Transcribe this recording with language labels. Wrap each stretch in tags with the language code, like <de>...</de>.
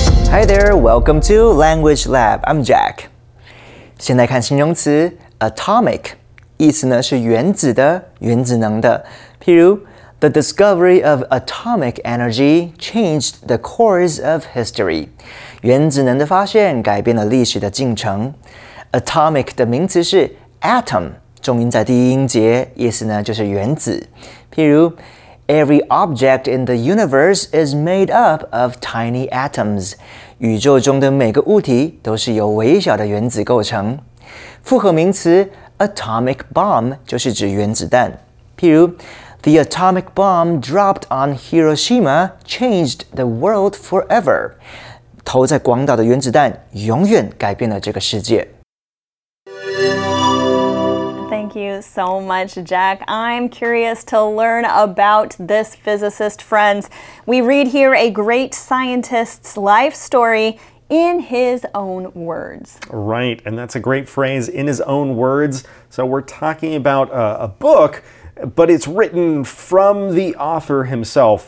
<en>Hi there, welcome to Language Lab, I'm Jack.</en> <zh>先来看形容词 atomic, 意思呢是原子的、原子能的。譬如</zh> <en>the discovery of atomic energy changed the course of history.</en> <zh>原子能的发现改变了历史的进程。 Atomic 的名词是 atom, 重音在第一音节，意思呢就是原子。譬如</zh> <en>every object in the universe is made up of tiny atoms.</en> <zh>宇宙中的每个物体都是由微小的原子构成。复合名词 atomic bomb 就是指原子弹。譬如</zh> <en>the atomic bomb dropped on Hiroshima changed the world forever.</en> <zh>投在广岛的原子弹永远改变了这个世界。</zh> <en>Thank you so much, Jack. I'm curious to learn about this physicist, friends. We read here a great scientist's life story in his own words. Right, and that's a great phrase, in his own words. So we're talking about a book, but it's written from the author himself.</en>